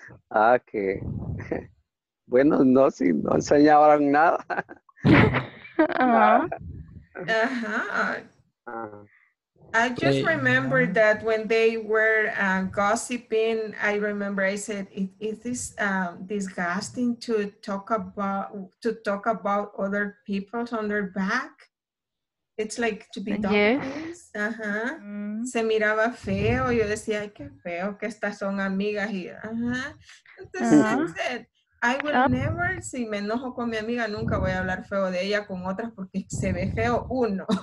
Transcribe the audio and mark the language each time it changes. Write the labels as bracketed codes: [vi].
[es] Ah, que bueno, no, si no enseñaban nada. Ajá. Ajá. [en] I just remember that when they were gossiping, I remember I said, is this disgusting to talk about other people on their back? It's like to be dumb. Yes. [es] Uh-huh. Mm. Se miraba feo. Yo decía, ay, qué feo que estas son amigas. Uh-huh. Entonces, [en] I said, I will never, [es] si me enojo con mi amiga, nunca voy a hablar feo de ella con otras porque se ve feo uno.